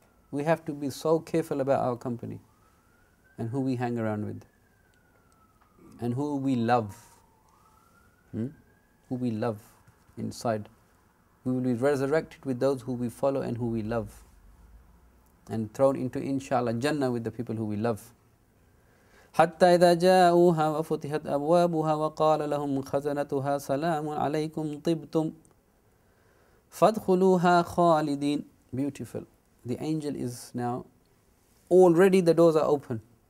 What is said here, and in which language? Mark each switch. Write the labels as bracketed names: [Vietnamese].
[English] We have to be so careful about our company. And who we hang around with. And who we love. Who we love inside. We will be resurrected with those who we follow and who we love. And thrown into, inshallah, Jannah with the people who we love. [Arabic] حتى إذا جاءوها وفتحت أبوابها وقال لهم خزنتها سلام عليكم طبتم فادخلوها خالدين [English] Beautiful. The angel is now already the doors are open.